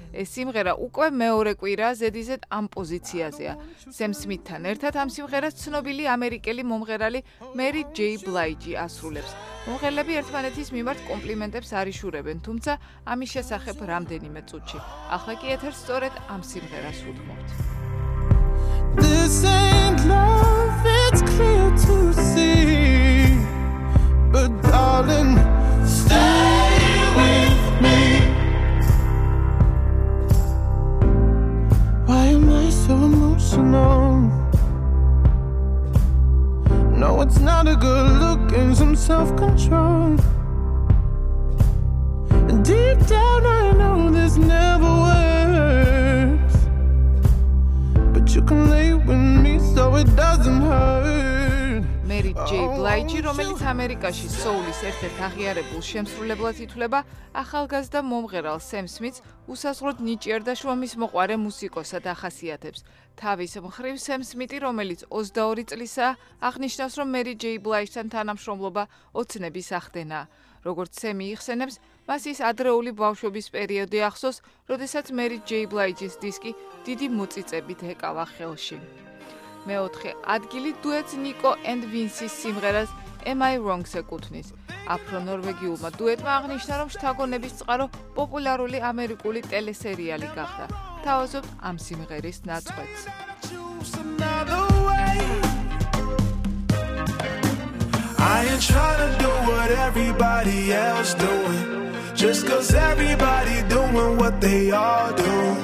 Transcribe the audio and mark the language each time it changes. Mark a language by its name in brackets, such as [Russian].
[Georgian] ეს სიმღერა უკვე მეორე კვირაა ზედიზედ ამ პოზიციაზეა. სემ სმიტთან ერთად ამ სიმღერას ცნობილი ამერიკელი მომღერალი Mary J. Blige ასრულებს. მომღერლები ერთმანეთის მიმართ კომპლიმენტებს არიშურებენ, თუმცა ამის შესახებ რამდენიმე წუთში. ახლა კი ეთერს სწორედ ამ სიმღერას უთმობთ. [English] This ain't love, it's clear to see. But darling, stay with me. Why am I so emotional? No, it's not a good look and some self-control. Deep down I know this never works. But you can lay with me so it doesn't hurt. [Georgian] Mary J. Blige, რომელიც ამერიკაში soul-ის ერთ-ერთ აღიარებულ შემსრულებლად ითვლება, ახალგაზრდა მომღერალ Sam Smith-ს უსასრულოდ ნიჭიერდა შრომის მოყვარე მუსიკოსად ახასიათებს. თავის მხრივ, Sam Smith-ი, რომელიც 22 წლისა, აღნიშნავს, რომ Mary J. Blige-თან თანამშრომლობა ოცნების ახდენა. როგორც Sam-ი იხსენებს, მას ის ადრეული ბავშვობის პერიოდი ახსოვს, როდესაც Mary J. Blige-ის დისკი დიდი მოწიწებით ეკავა ხელში. მეოთხე ადგილი დუეტ ნიკო ენდ ვინსის სიმღერას Am I Wrong-ს ეკუთვნის. აფრო ნორვეგიულმა დუეტმა აღნიშნა, რომ შთაგონების წყარო პოპულარული ამერიკული ტელესერიალი გახდა. თავაზობ ამ სიმღერის ნაწყვეტს. [English] I ain't trying to do what everybody else doing just cuz everybody doing what they all do.